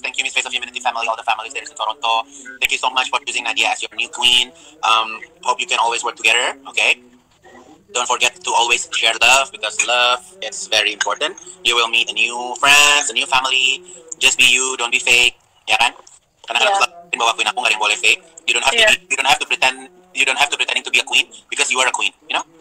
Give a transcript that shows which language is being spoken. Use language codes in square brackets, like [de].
[en] Thank you Miss Face of Humanity family. All the families there in Toronto. Thank you so much for choosing Nadia as your new queen. Hope you can always work together. Okay. Don't forget to always share love because love is very important. You will meet a new friends, a new family. Just be you. Don't be fake. [id] Ya kan? Karena kalau selain bahwa queen aku nggak ada yang boleh fake. [en] You don't have to pretend to be a queen because you are a queen, you know?